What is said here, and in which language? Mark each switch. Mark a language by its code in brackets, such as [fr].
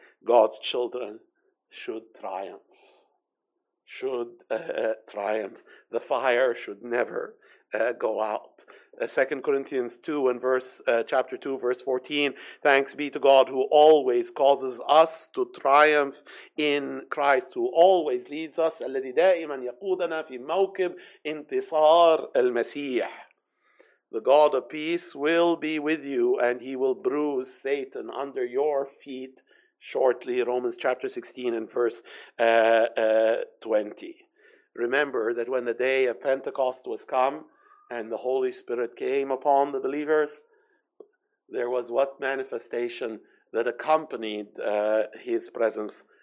[en] God's children should triumph. Should triumph. The fire should never go out. 2 Corinthians 2 and chapter 2 verse 14. Thanks be to God who always causes us to triumph in Christ, who always leads us. [ar] الذي دائما يقودنا في موكب انتصار المسيح. [en] The God of peace will be with you, and he will bruise Satan under your feet shortly. Romans chapter 16 and verse 20. Remember that when the day of Pentecost was come and the Holy Spirit came upon the believers, there was what manifestation that accompanied his presence?